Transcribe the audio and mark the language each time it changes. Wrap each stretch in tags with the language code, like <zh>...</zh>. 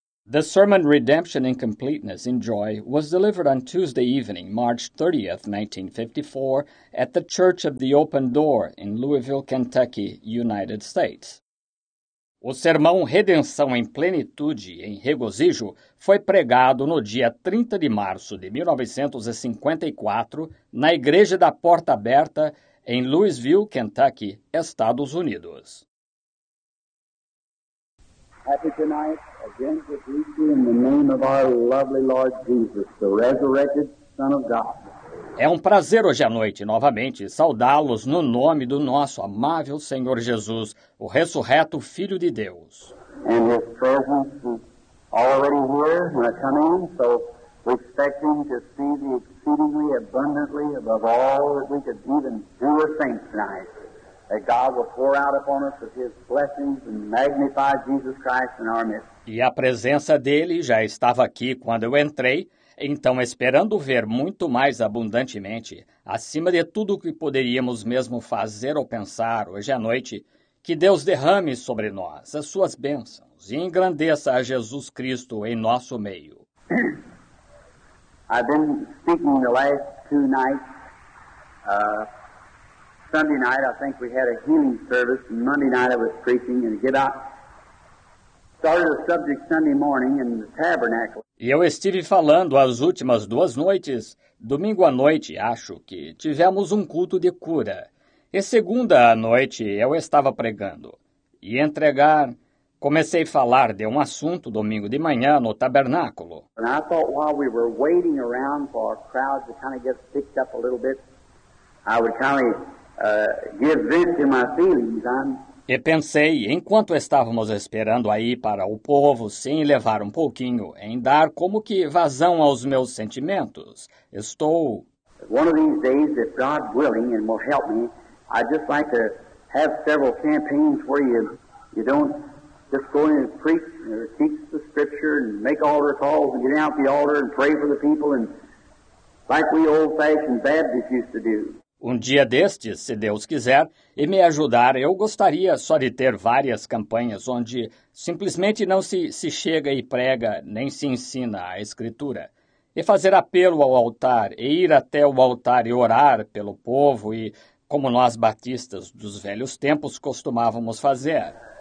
<en>The sermon Redemption in Completeness in Joy was delivered on Tuesday evening, March 30, 1954, at the Church of the Open Door in Louisville, Kentucky, United States.</en> <pt>O sermão Redenção em Plenitude em Regozijo foi pregado no dia 30 de março de 1954 na Igreja da Porta Aberta em Louisville, Kentucky, Estados Unidos.</pt> <en>Happy tonight, again to greet you in the name of our lovely Lord Jesus, the resurrected Son of God.</en> <pt>É um prazer hoje à noite, novamente, saudá-los no nome do nosso amável Senhor Jesus, o ressurreto Filho de Deus.</pt> <en>And His presence is already here, we're coming, so we're expecting to see the exceedingly abundantly above all that we could even do or think tonight. That God will pour out upon us with His blessings and magnify Jesus Christ in our midst.</en> <pt>E a presença dEle já estava aqui quando eu entrei, então esperando ver muito mais abundantemente, acima de tudo o que poderíamos mesmo fazer ou pensar hoje à noite, que Deus derrame sobre nós as suas bênçãos e engrandeça a Jesus Cristo em nosso meio.</pt> <en>I've been speaking the last two nights. Sunday night, I think we had a healing service, and Monday night I was preaching, and get out. Started a subject Sunday morning in the tabernacle.</en> <pt>E eu estive falando as últimas duas noites, domingo à noite, acho que tivemos um culto de cura. E segunda à noite eu estava pregando. E entregar, comecei a falar de um assunto domingo de manhã no tabernáculo.</pt> <en>And I thought while we were waiting around for our crowd to kind of get picked up a little bit, I would kind of give vent to my feelings.</en> <pt>E pensei, enquanto estávamos esperando aí para o povo se elevar um pouquinho, em dar como que vazão aos meus sentimentos, estou...</pt> <en>One of these days, if God willing and will help me, I'd just like to have several campaigns where you don't just go in and preach or teach the scripture and make altar calls and get out the altar and pray for the people and like we old-fashioned Baptists used to do.</en> <pt>Um dia destes, se Deus quiser, e me ajudar, eu gostaria só de ter várias campanhas onde simplesmente não se chega e prega, nem se ensina a Escritura. E fazer apelo ao altar, e ir até o altar e orar pelo povo, e como nós batistas dos velhos tempos costumávamos fazer.</pt>